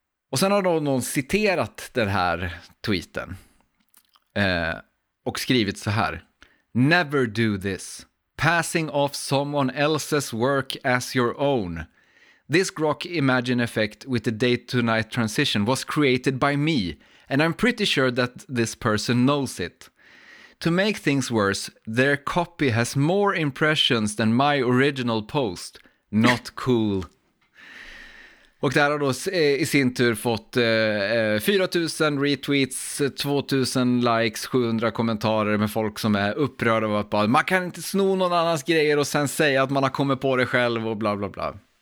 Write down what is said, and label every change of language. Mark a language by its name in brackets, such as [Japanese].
[Swedish] Och sen har då någon citerat den här tweeten och skrivit så här. [English] Never do this. Passing off someone else's work as your own. This Grok Imagine effect with the day to night transition was created by me. And I'm pretty sure that this person knows it. To make things worse, their copy has more impressions than my original post. Not cool. [Swedish] Och där har då i sin tur fått 4000 retweets, 2000 likes, 700 kommentarer med folk som är upprörda av att bara, man kan inte sno någon annans grejer och sen säga att man har kommit på det själv och bla bla bla.